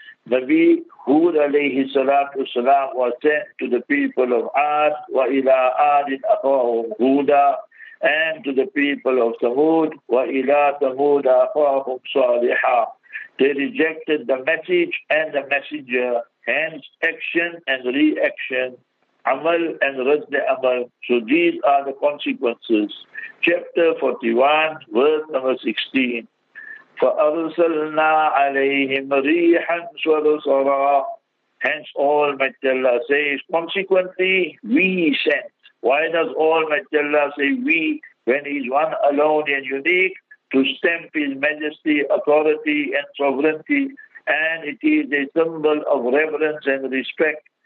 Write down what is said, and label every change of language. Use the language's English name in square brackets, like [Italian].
[English] Nabi Hud alayhi salatu salam was sent to the people of Ad, [Arabic] wa ila Adin akhahum Huda, [English] and to the people of Thamud, [Arabic] wa ila Thamud akhahum Saliha. [English] They rejected the message and the messenger, hence action and reaction, amal and radda amal. So these are the consequences. Chapter 41, verse number 16. [Arabic] فأرسلنا عليهم ريحا صرصرا. [English] Hence Almighty Allah says, consequently, we sent. Why does Almighty Allah say we when he's one alone and unique? To stamp his majesty, authority and sovereignty. And it is a symbol of reverence and respect.